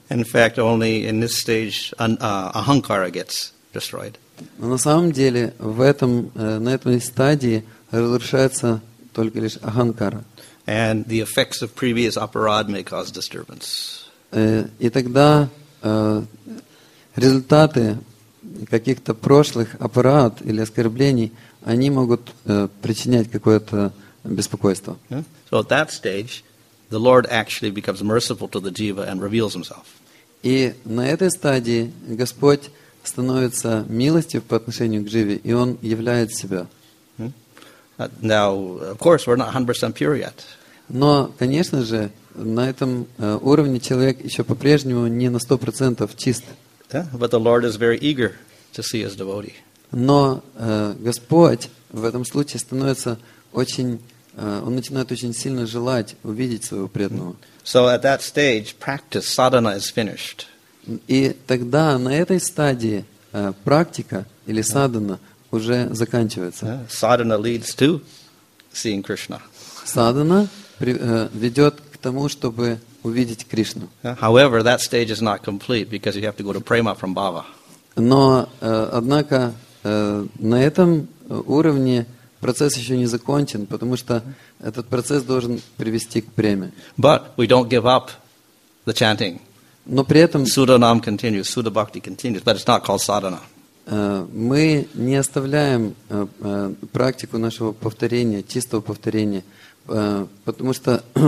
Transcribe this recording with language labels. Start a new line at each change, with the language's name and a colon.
English: In fact, only in this stage ahankara gets destroyed.
Russian: Но на самом деле в этом на этой стадии разрушается только лишь аханкара.
English: And the effects of previous aparad may cause disturbance.
Russian: И тогда результаты каких-то прошлых аппарат или оскорблений, они могут причинять какое-то беспокойство.
English: Yeah. So at that stage, the Lord actually becomes merciful to the jiva and reveals himself.
Russian: И на этой стадии Господь становится милостив по отношению к живе, и он являет себя.
English: Now, of course, we're not 100% pure yet.
Russian: Но, конечно же, на этом уровне человек еще по-прежнему не на 100% чист.
English: But the Lord is very eager to see his devotee.
Russian: Но Господь в этом случае становится он начинает очень сильно желать увидеть своего преданного.
English: So at that stage, practice, sadhana is finished.
Russian: И тогда на этой стадии практика или садхана уже заканчивается.
English: Sadhana leads to seeing Krishna.
Russian: Садхана ведет к тому, чтобы увидеть Кришну.
English: However, that stage is not complete because you have to go to prema from bhava.
Russian: Но, однако, на этом уровне процесс еще не закончен, потому что этот процесс должен привести к преме.
English: But we don't give up the chanting.
Russian: Но при этом
English: Sudanam continues, Suda Bhakti continues, but it's not called sadhana.
Russian: Мы не оставляем практику нашего повторения, чистого повторения, потому что